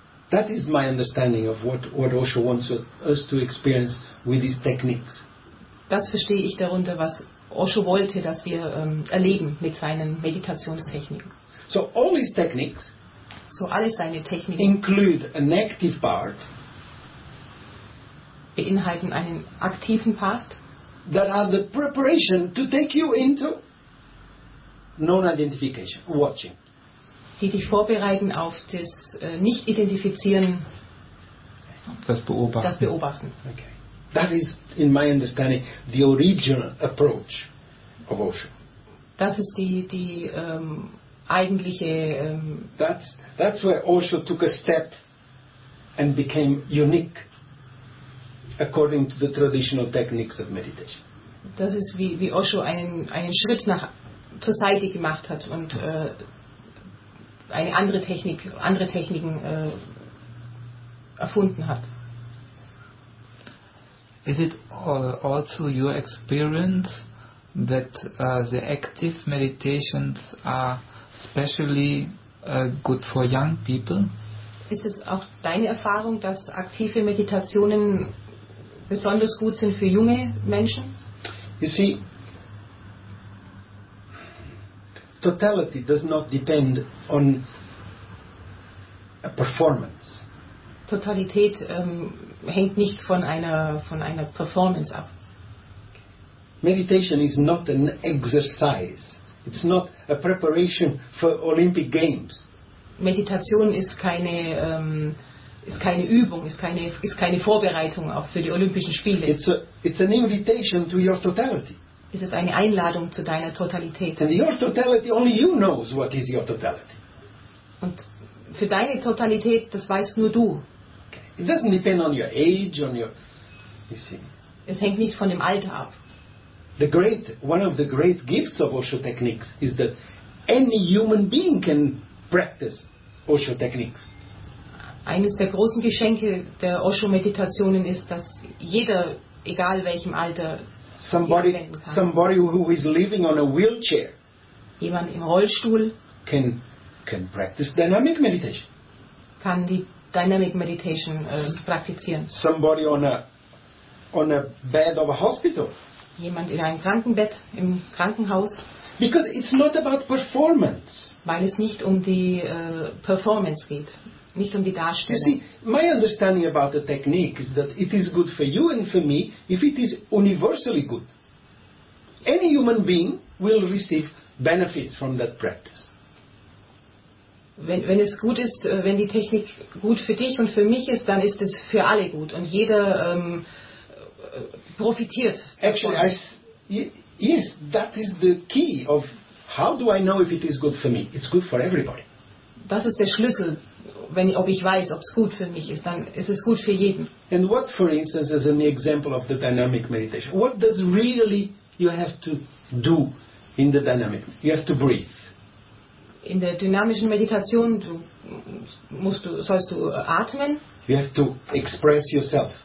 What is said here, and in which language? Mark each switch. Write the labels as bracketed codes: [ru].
[en] That is my understanding of what Osho wants us to experience with these techniques. [de] Das verstehe ich darunter, was Osho wollte, dass wir erleben mit seinen Meditationstechniken. [en] So all his techniques, [de] so alle seine Techniken, [en] include an active part. [de] Beinhalten einen aktiven Part. [en] That are the preparation to take you into non-identification, watching. [de] Die dich vorbereiten auf das Nicht-Identifizieren. Das Beobachten. Das Beobachten. [en] Okay. That is, in my understanding, the original approach of Osho. [de] Das ist die eigentliche... [en] That's where Osho took a step and became unique. According to the traditional techniques of meditation. [de] Das ist wie Osho einen Schritt nach zur Seite gemacht hat und eine andere Techniken erfunden hat. [en] Is it also your experience that the active meditations are specially good for young people? [de] Ist es auch deine Erfahrung, dass aktive Meditationen besonders gut sind für junge Menschen? [en] You see, totality does not depend on a performance. [de] Totalität hängt nicht von einer Performance ab. [en] Meditation is not an exercise. It's not a preparation for Olympic Games. [de] Meditation ist keine ist keine Übung, ist keine Vorbereitung auch für die Olympischen Spiele. [en] It's an invitation to your totality. [de] Es ist eine Einladung zu deiner Totalität. [en] And your totality, only you knows what is your totality. [de] Und für deine Totalität, das weißt nur du. [en] It doesn't depend on your age, on your, you see. [de] Es hängt nicht von dem Alter ab. [en] The great, one of the great gifts of Osho techniques is that any human being can practice Osho techniques. [de] Eines der großen Geschenke der Osho-Meditationen ist, dass jeder, egal welchem Alter, [en] somebody who is living on a wheelchair, [de] jemand im Rollstuhl, [en] can practice dynamic meditation. [de] Kann die dynamic meditation praktizieren. [en] Somebody on a bed of a hospital, [de] jemand in einem Krankenbett im Krankenhaus. [en] Because it's not about performance. [de] Weil es nicht um die Performance geht. Nicht um die Darstellung. [en] You see, my understanding about the technique is that it is good for you and for me if it is universally good. Any human being will receive benefits from that practice. [de] Wenn es gut ist, wenn die Technik gut für dich und für mich ist, dann ist es für alle gut und jeder profitiert. [en] Actually, yes, that is the key of how do I know if it is good for me? It's good for everybody. [de] Das ist der Schlüssel, wenn ob ich weiß, ob es gut für mich ist, dann ist es gut für jeden. [en] And what, for instance, is an example of the dynamic meditation? What does really you have to do in the dynamic? You have to breathe. [de] In der dynamischen Meditation sollst du atmen. [en] You have to express yourself.